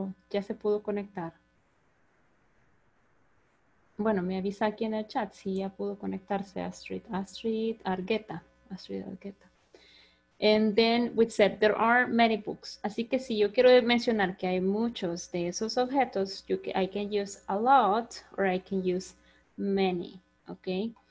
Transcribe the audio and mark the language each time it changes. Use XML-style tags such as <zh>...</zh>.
<es>¿Ya se pudo conectar? Bueno, me avisa aquí en el chat si ya pudo conectarse Astrid Argueta.</es> <en>And then we said, there are many books.</en> <es>Así que si yo quiero mencionar que hay muchos de esos objetos,</es> <en>I can use a lot or I can use many,</en> <es>¿ok?</es>